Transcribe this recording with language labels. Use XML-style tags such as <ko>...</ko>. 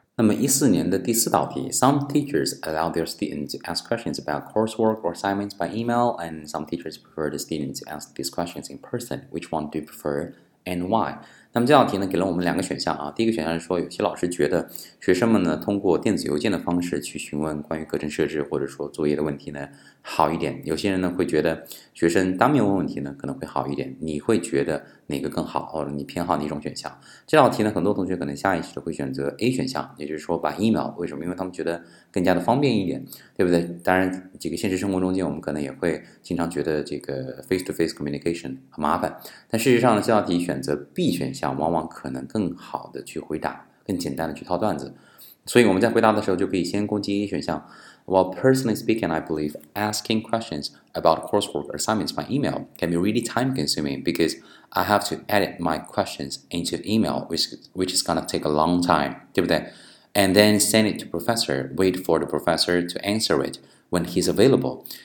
<zh>那么14年的第四道题</zh> <en>Some teachers allow their students to ask questions about coursework or assignments by email, and some teachers prefer the students to ask these questions in person. Which one do you prefer and why?</en> <zh>那么这道题呢，给了我们两个选项啊。第一个选项是说，有些老师觉得学生们呢，通过电子邮件的方式去询问关于课程设置或者说作业的问题呢，好一点。有些人呢，会觉得学生当面问问题呢，可能会好一点。你会觉得哪个更好，或者你偏好哪种选项？这道题呢，很多同学可能下意识的会选择 A 选项，也就是说把 email， 为什么？因为他们觉得更加的方便一点，对不对？当然，这个现实生活中间，我们可能也会经常觉得这个 face-to-face communication 很麻烦。但事实上呢，这道题选择 B 选项，往往可能更好的去回答，更简单的去套段子。所以我们在回答的时候，就可以先攻击 A 选项。</zh> <en>Well, personally speaking, I believe asking questions about coursework assignments by email can be really time-consuming because I have to edit my questions into email, which is going to take a long time,</en> <zh>对不对?</zh> <en>And then send it to professor, wait for the professor to answer it when he's available.</en>